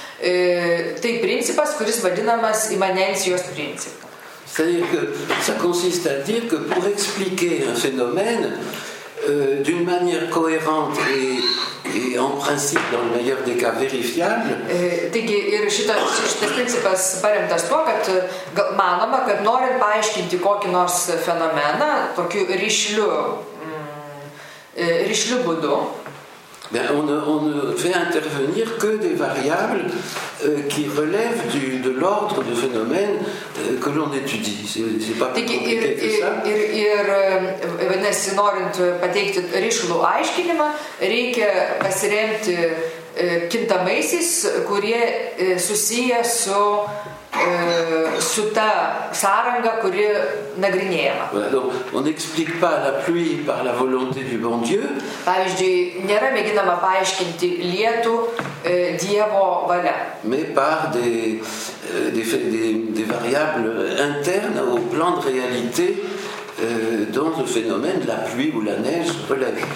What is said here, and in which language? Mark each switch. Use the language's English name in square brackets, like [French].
[Lithuanian] Tai principas, kuris vadinamas imanencijos principu. [French] C'est-à-dire que ça consiste à dire que pour expliquer un phénomène d'une manière cohérente et en principe dans le meilleur des cas vérifiable. [Lithuanian] Taigi, ir šitas principas paremtas tuo, kad manoma, kad norint paaiškinti kokį nors fenomeną tokiu ryšliu būdu. [French] Ben, on ne fait intervenir que des variables qui relèvent de l'ordre du phénomène que l'on étudie. C'est pas compliqué que ça. [Lithuanian] Ir vadinasi, norint pateikti ryšlų aiškinimą, reikia pasiremti kintamaisiais, kurie susiję su ta sąranga, kuri nagrinėjama. [French] Voilà, donc, on n'explique pas la pluie par la volonté du bon Dieu. [Lithuanian] Pavyzdžiui, nėra mėginama paaiškinti lietų Dievo valia. [French] Mais par des variables internes au plan de réalité dans le phénomène de la pluie ou la neige relève.